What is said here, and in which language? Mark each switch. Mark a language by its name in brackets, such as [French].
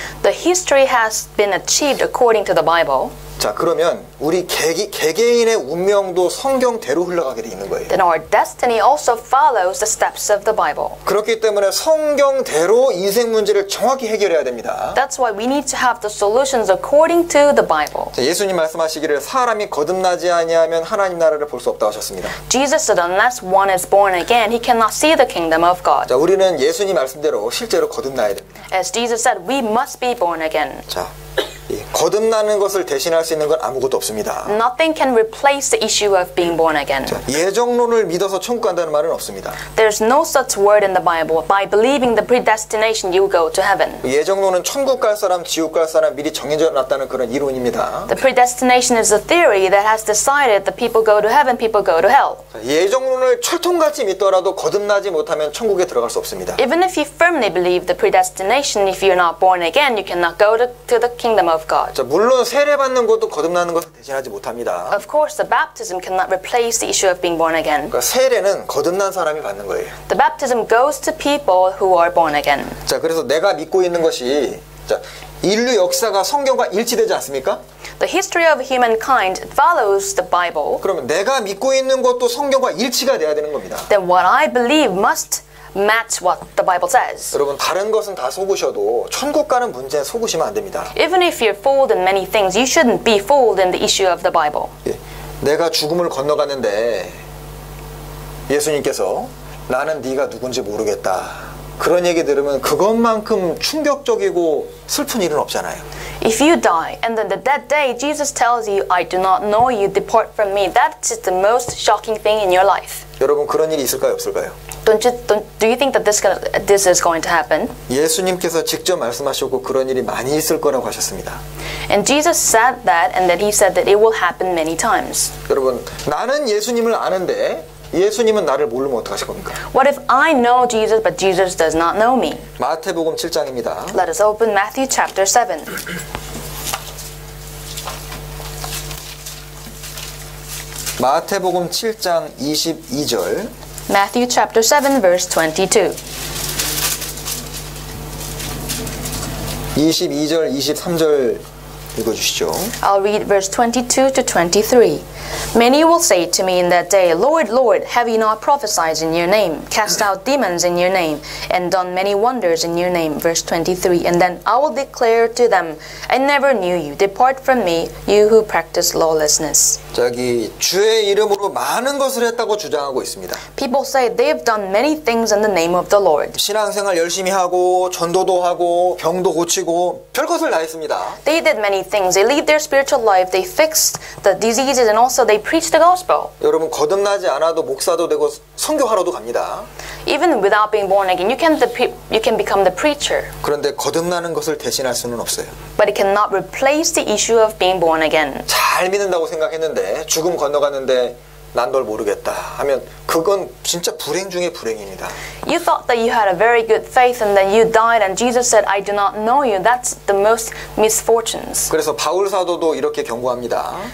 [English] The history has been achieved according to the Bible. [Korean] 자, 그러면 우리 개개인의 운명도 성경대로 흘러가게 돼 있는 거예요. [English] Then our destiny also follows the steps of the Bible. [Korean] 그렇기 때문에 성경대로 인생 문제를 정확히 해결해야 됩니다. [English] That's why we need to have the solutions according to the Bible. [Korean] 자, 예수님 말씀하시기를 사람이 거듭나지 아니하면 하나님 나라를 볼 수 없다 하셨습니다. [English] Jesus said unless one is born again, he cannot see the kingdom of God. [Korean] 자, 우리는 예수님 말씀대로 실제로 거듭나야 됩니다. [English] As Jesus said, we must be born again. [Korean] 자, 거듭나는 것을 대신할 수 있는 건 아무것도 없습니다. [English] Nothing can replace the issue of being born again. [Korean] 예정론을 믿어서 천국 간다는 말은 없습니다. [English] There's no such word in the Bible. By believing the predestination, you go to heaven. [Korean] 예정론은 천국 갈 사람, 지옥 갈 사람 미리 정해져 놨다는 그런 이론입니다. [English] The predestination is a theory that has decided that people go to heaven, people go to hell. [Korean] 예정론을 철통같이 믿더라도 거듭나지 못하면 천국에 들어갈 수 없습니다. [English] Even if you firmly believe the predestination, if you're not born again, you cannot go to the kingdom of God. [Korean] 자, 물론 세례 받는 것도 거듭나는 것을 대신하지 못합니다. [English] Of course, the baptism cannot replace the issue of being born again. [Korean] 그러니까 세례는 거듭난 사람이 받는 거예요. [English] The baptism goes to people who are born again. [Korean] 자, 그래서 내가 믿고 있는 것이 인류 역사가 성경과 일치되지 않습니까? [English] The history of humankind follows the Bible. [Korean] 그러면 내가 믿고 있는 것도 성경과 일치가 돼야 되는 겁니다. [English] Then what I believe must match what the Bible says. [Korean] 여러분, 다른 것은 다 속으셔도 천국 가는 문제 속으시면 안 됩니다. [English] Even if you're fooled in many things, you shouldn't be fooled in the issue of the Bible. 예, [Korean] 내가 죽음을 건너갔는데 예수님께서 나는 네가 누군지 모르겠다. 그런 얘기 들으면 그것만큼 충격적이고 슬픈 일은 없잖아요. [English] If you die and then the dead day Jesus tells you I do not know you, depart from me. That is the most shocking thing in your life. [Korean] 여러분, 그런 일이 있을까요, 없을까요? [English] Do you think that this is going to happen? [Korean] 예수님께서 직접 말씀하시고 그런 일이 많이 있을 거라고 하셨습니다. [English] And Jesus said that and then he said that it will happen many times. [Korean] 여러분, 나는 예수님을 아는데 예수님은 나를 모르면 어떡하실 겁니까? [English] What if I know Jesus but Jesus does not know me? [Korean] 마태복음 7장입니다. [English] Let us open Matthew chapter 7. [Korean] 마태복음 7장 22절. [English] Matthew chapter 7 verse 22. [Korean] 22절 23절 읽어주시죠. [English] I'll read verse 22 to 23. Many will say to me in that day, Lord, Lord, have you not prophesied in your name, cast out demons in your name, and done many wonders in your name? Verse 23. And then I will declare to them, I never knew you. Depart from me, you who practice lawlessness. [Korean] 저기 주의 이름으로 많은 것을 했다고 주장하고 있습니다. [English] People say they've done many things in the name of the Lord. [Korean] 신앙생활 열심히 하고 전도도 하고 병도 고치고 별 것을 다 했습니다. [English] They did many things. They lived their spiritual life. They fixed the diseases and also they preached the gospel. [Korean] 여러분, 거듭나지 않아도 목사도 되고 선교하러도 갑니다. [English] Even without being born again, you can become the preacher. [Korean] 그런데 거듭나는 것을 대신할 수는 없어요. [English] But it cannot replace the issue of being born again. [Korean] 잘 믿는다고 생각했는데 죽음 건너갔는데 난 널 모르겠다 하면 그건 진짜 불행 중에 불행입니다. [English] You thought that you had a very good faith and then you died and Jesus said I do not know you. That's the most misfortunes. [Korean] 그래서 바울 사도도 이렇게 경고합니다.